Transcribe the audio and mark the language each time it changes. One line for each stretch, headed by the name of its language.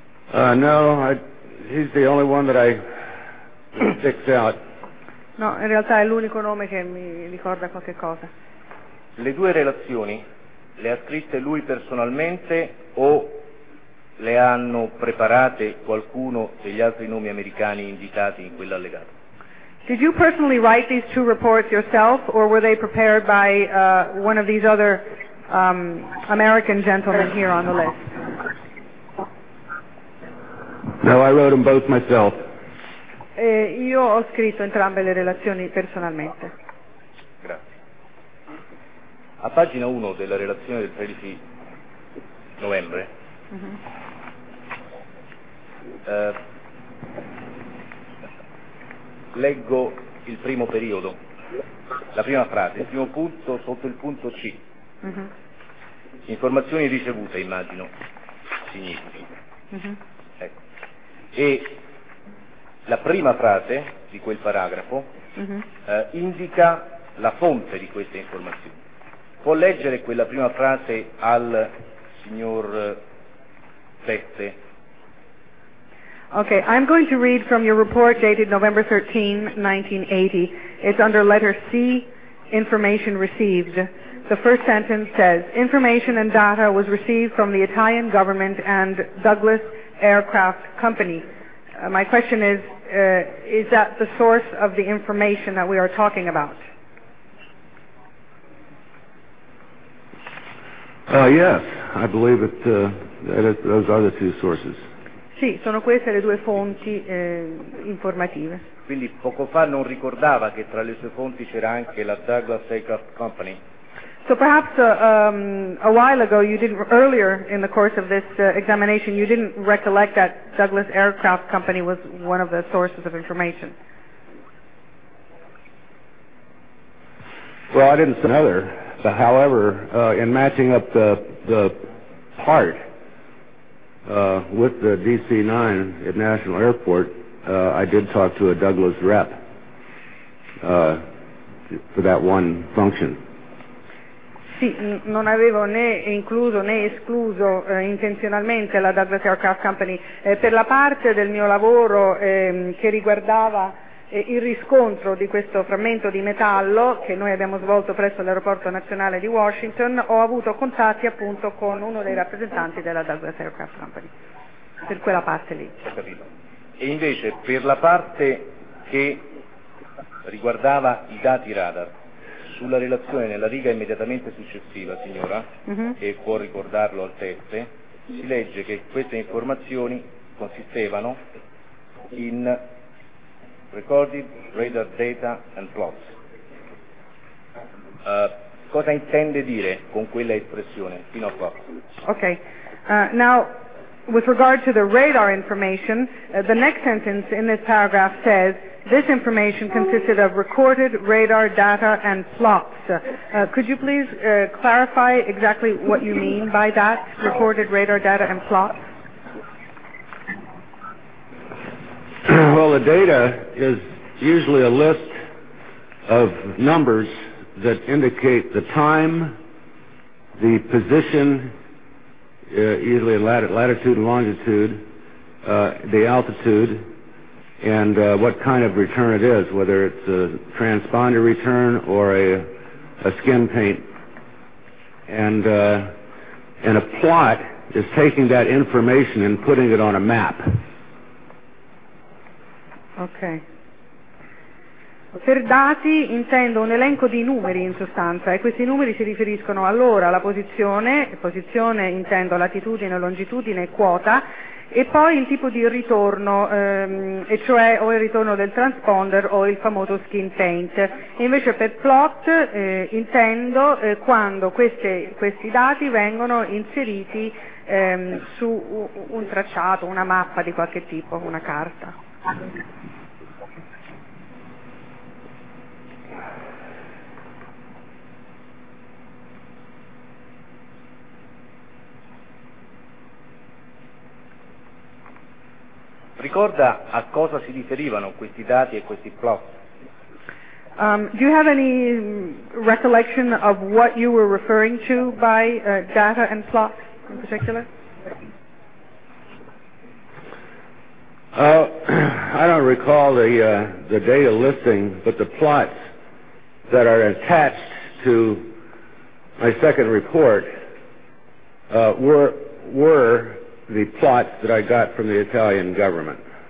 English: He's the only one that I sticks out.
Italian: No, in realtà è l'unico nome che mi ricorda qualche cosa. Le due relazioni le ha scritte lui personalmente o le hanno preparate qualcuno degli altri nomi americani indicati in quell'allegato?
English: Did you personally write these two reports yourself or were they prepared by one of these other American gentleman here on the list? No, I wrote them both myself.
Italian: Io ho scritto entrambe le relazioni personalmente. Grazie. A pagina 1 della relazione del 13 novembre, leggo il primo periodo, la prima frase, il primo punto sotto il punto C. Informazioni ricevute, immagino, significhi. Ecco. E la prima frase di quel paragrafo indica la fonte di queste informazioni. Può leggere quella prima frase al signor Sette?
English: Okay, I'm going to read from your report dated November 13, 1980. It's under letter C, information received. The first sentence says, information and data was received from the Italian government and Douglas Aircraft Company. My question is that the source of the information that we are talking about? Yes, I believe it, those are the two sources.
Italian: Sì, sono queste le due fonti informative. Quindi poco fa non ricordava che tra le sue fonti c'era anche la Douglas Aircraft Company.
English: So perhaps a while ago, you didn't, earlier in the course of this examination, you didn't recollect that Douglas Aircraft Company was one of the sources of information. Well, I didn't say another. But however, in matching up the part with the DC-9 at National Airport, I did talk to a Douglas rep for that one function.
Italian: Sì, non avevo né incluso né escluso intenzionalmente la Douglas Aircraft Company per la parte del mio lavoro che riguardava il riscontro di questo frammento di metallo che noi abbiamo svolto presso l'aeroporto nazionale di Washington. Ho avuto contatti appunto con uno dei rappresentanti della Douglas Aircraft Company per quella parte lì. Ho capito. E invece per la parte che riguardava i dati radar, sulla relazione nella riga immediatamente successiva, signora, e può ricordarlo al teste, si legge che queste informazioni consistevano in
English: recorded radar data and plots.
Italian: Cosa intende dire con quella espressione fino a qua?
English: Okay. Now, with regard to the radar information, the next sentence in this paragraph says, this information consisted of recorded radar data and plots. Could you please clarify exactly what you mean by that, recorded radar data and plots? Well, the data is usually a list of numbers that indicate the time, the position, usually in latitude and longitude, the altitude, and what kind of return it is, whether it's a transponder return or a skin paint. And a plot is taking that information and putting it on a map.
Italian: Ok. Per dati intendo un elenco di numeri in sostanza, e questi numeri si riferiscono all'ora, alla posizione, posizione intendo latitudine, longitudine, quota, e poi il tipo di ritorno, e cioè o il ritorno del transponder o il famoso skin paint. Invece per plot intendo quando questi dati vengono inseriti su un tracciato, una mappa di qualche tipo, una carta. Ricorda a cosa si riferivano questi dati e questi plot?
English: Do you have any recollection of what you were referring to by data and plot in particular? I don't recall the data listing, but the plots that are attached to my second report were the plots that I got from the Italian government.